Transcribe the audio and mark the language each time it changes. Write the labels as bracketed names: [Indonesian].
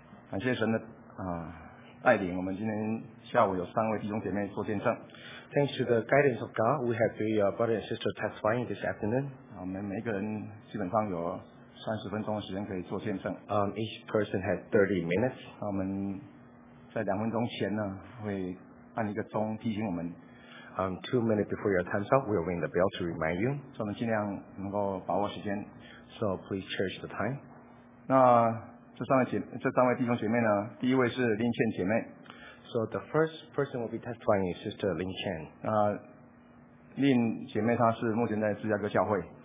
[Chinese] 感谢神的带领，我们今天下午有三位弟兄姐妹做见证。 [English] Thanks to the guidance of God, we have three brothers and sisters testifying this afternoon. [Chinese] 我们每个人基本上有三十分钟的时间可以做见证。 [English] Each person has 30 minutes. [Chinese] 我们在两分钟前呢，会按一个钟提醒我们。 [English] 2 minutes before your time's up, we'll ring the bell to remind you. [Chinese] 所以我们尽量能够把握时间。 [English] So please cherish the time. [Chinese] 那这三位弟兄姐妹呢，第一位是林倩姐妹。 [English] So the first person will be testifying is Sister Lin Chen. [Chinese] 林姐妹她是目前在芝加哥教会。